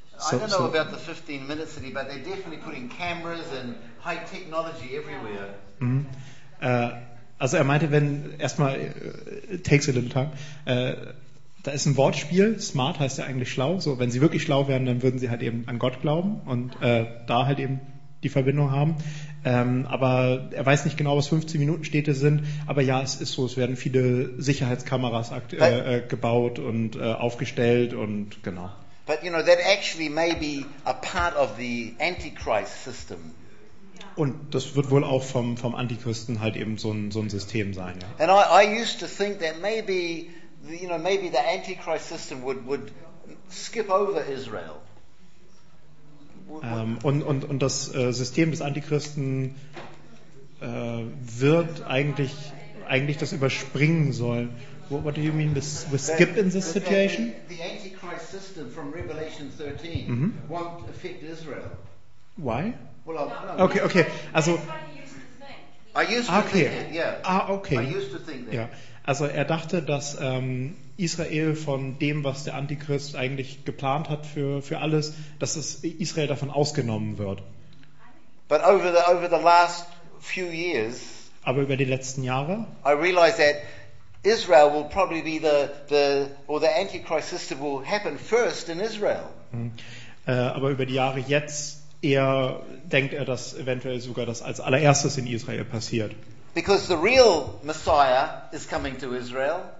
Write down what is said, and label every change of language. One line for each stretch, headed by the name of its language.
English: I don't know about the 15-minute city, but they're definitely putting cameras and high technology everywhere. Mm-hmm.
German: Also er meinte, wenn erstmal
English: it takes a little time,
German: da ist ein Wortspiel, smart heißt ja eigentlich schlau, so wenn sie wirklich schlau wären, dann würden sie halt eben an Gott glauben und da halt eben die Verbindung haben, aber er weiß nicht genau, was 15 Minuten Städte sind, aber ja, es ist so, es werden viele Sicherheitskameras gebaut und aufgestellt und genau.
English: But you know, that actually may be a part of the Antichrist system.
German: Und das wird wohl auch vom Antichristen halt eben so ein System sein, ja.
English: And I used to think that maybe, you know, maybe the Antichrist system would skip over Israel.
German: Und das System des Antichristen wird eigentlich das überspringen sollen.
English: What do you mean with skip in this situation? The Antichrist system from Revelation 13 mm-hmm. won't affect Israel. Why? Well,
German: okay. Also,
English: I used to think that.
German: Ja. Also er dachte, dass Israel von dem, was der Antichrist eigentlich geplant hat für alles, dass es Israel davon ausgenommen wird.
English: But over the last few years,
German: aber über die letzten Jahre,
English: I realized that Israel will probably be the Antichrist system will happen first in Israel.
German: Aber über die Jahre jetzt eher denkt er, dass eventuell sogar das als allererstes in Israel passiert.
English: Because the real Messiah is coming to Israel.